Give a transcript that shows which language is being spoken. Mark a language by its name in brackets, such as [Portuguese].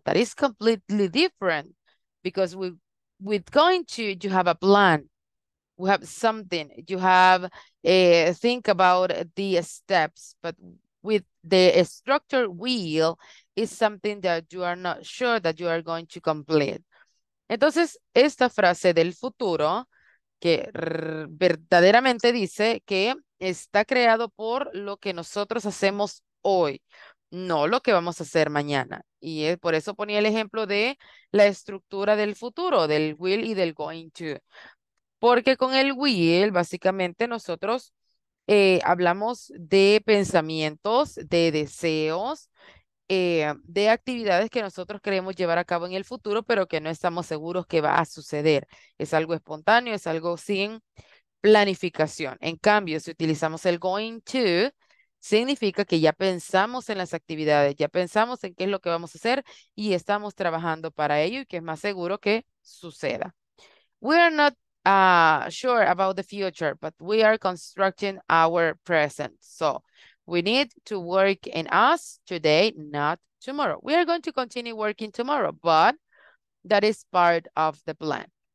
[English] That is completely different, because with going to, you have a plan. We have something. You have a think about the steps. But with the structured wheel, is something that you are not sure that you are going to complete. [Spanish] Entonces, esta frase del futuro, que verdaderamente dice que está creado por lo que nosotros hacemos hoy, no lo que vamos a hacer mañana. Y por eso ponía el ejemplo de la estructura del futuro, del will y del going to. Porque con el will, básicamente, nosotros hablamos de pensamientos, de deseos, de actividades que nosotros queremos llevar a cabo en el futuro, pero que no estamos seguros que va a suceder. Es algo espontáneo, es algo sin planificación. En cambio, si utilizamos el going to, significa que ya pensamos en las actividades, ya pensamos en qué es lo que vamos a hacer y estamos trabajando para ello y que es más seguro que suceda. [English] We are not sure about the future, but we are constructing our present. So we need to work in us today, not tomorrow. We are going to continue working tomorrow, but that is part of the plan.